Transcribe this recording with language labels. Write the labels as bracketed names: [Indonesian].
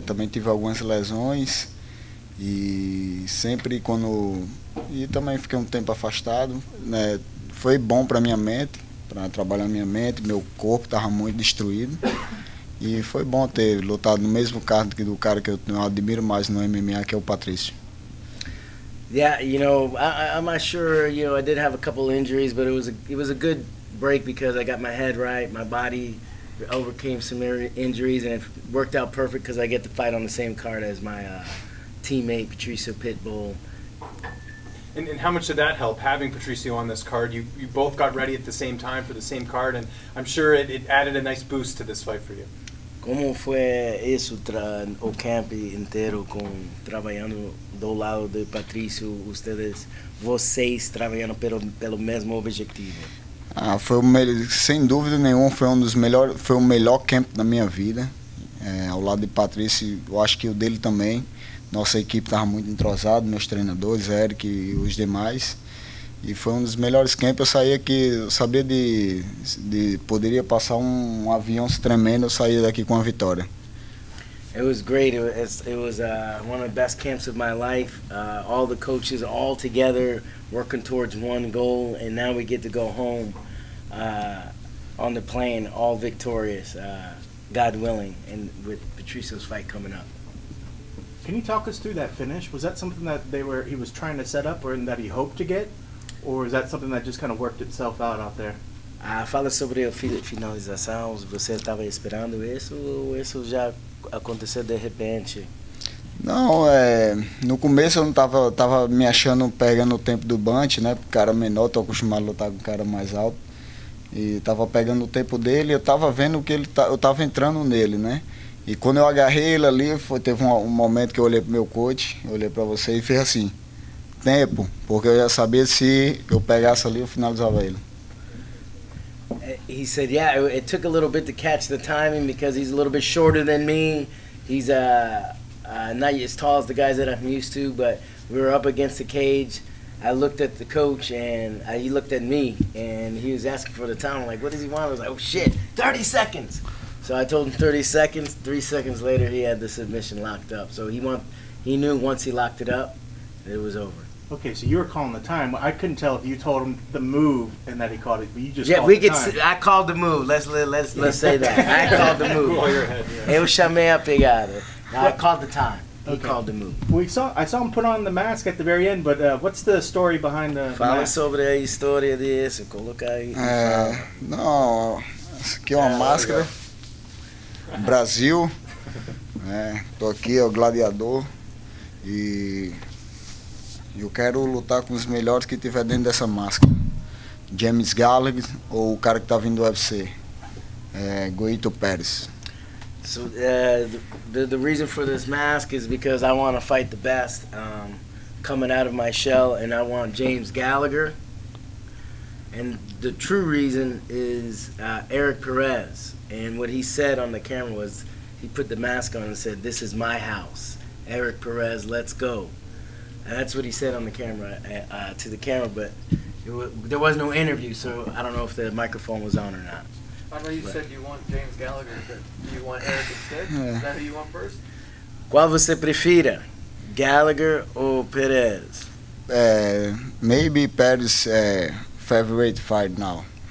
[Portuguese] Também tive algumas lesões e sempre quando e também fiquei tempo afastado, né? Foi bom para minha mente, para trabalhar minha mente, meu corpo estava muito destruído. E foi bom ter lutado no mesmo card que do cara que eu admiro mais no MMA, que é o Patrício. [English] Yeah, you know, I'm not sure, you know, I did have a couple injuries, but it was a good break because I got my head right, my body overcame some injuries, and it worked out perfect because I get to fight on the same card as my teammate Patricio Pitbull. And how much did that help, having Patricio on this card? You both got ready at the same time for the same card, and I'm sure it added a nice boost to this fight for you. [Portuguese] Como foi isso, o camp inteiro, trabalhando do lado de Patricio, vocês trabalhando pelo mesmo objetivo? Sem dúvida nenhuma, foi o melhor camp da minha vida. Ao lado de Patricio, eu acho que o dele também. Nossa equipe estava muito entrosada, meus treinadores, Eric e os demais. E foi dos melhores camps. Eu saía aqui, eu sabia de poderia passar um avião tremendo, eu saía daqui com a vitória. [English] It was great. It was one of the best camps of my life. All the coaches all together working towards one goal, and now we get to go home on the plane all victorious, God willing, and with Patricio's fight coming up. Can you talk us through that finish? Was that something that he was trying to set up, or that he hoped to get, or is that something that just kind of worked itself out there? [Portuguese] Fala sobre a finalização. Você estava esperando isso ou isso já aconteceu de repente? Não, no começo eu não tava me achando pegando o tempo do Bunch, né? Porque cara menor, tô acostumado a lutar com cara mais alto e tava pegando o tempo dele. Eu tava vendo que eu tava entrando nele, né? E quando eu agarrei ele ali, teve um momento que eu olhei pro meu coach, olhei pra você e fiz assim, tempo, porque eu já sabia se eu pegasse ali, eu finalizava ele. [English] He said, yeah, it took a little bit to catch the timing because he's a little bit shorter than me. He's not as tall as the guys that I'm used to, but we were up against the cage. I looked at the coach and he looked at me and he was asking for the time. I'm like, what does he want? I was like, oh shit, 30 seconds. So I told him 30 seconds, 3 seconds later he had the submission locked up. So he knew once he locked it up, it was over. Okay, so you were calling the time. I couldn't tell if you told him the move and that he called it, but you just I called the move. Let's say that. I called the move. [Portuguese] Eu chamei a pegada. [English] I called the time. He called the move. I saw him put on the mask at the very end, but what's the story behind the mask? [Portuguese] Fala sobre a história disso. Coloca aí. No, que é uma máscara. Brasil, né? Tô aqui, é o gladiador, e eu quero lutar com os melhores que tiver dentro dessa máscara. James Gallagher ou o cara que tá vindo do UFC, Goito Pérez. [English] So the reason for this mask is because I want to fight the best coming out of my shell, and I want James Gallagher. And the true reason is Eric Perez. And what he said on the camera was, he put the mask on and said, this is my house. Eric Perez, let's go. And that's what he said on the camera, to the camera, but there was no interview, so I don't know if the microphone was on or not. I know you said you want James Gallagher, but do you want Eric instead? Yeah. Is that who you want first? [Portuguese] Qual você prefira, Gallagher or Perez? [English] Maybe Perez, favorite fight now.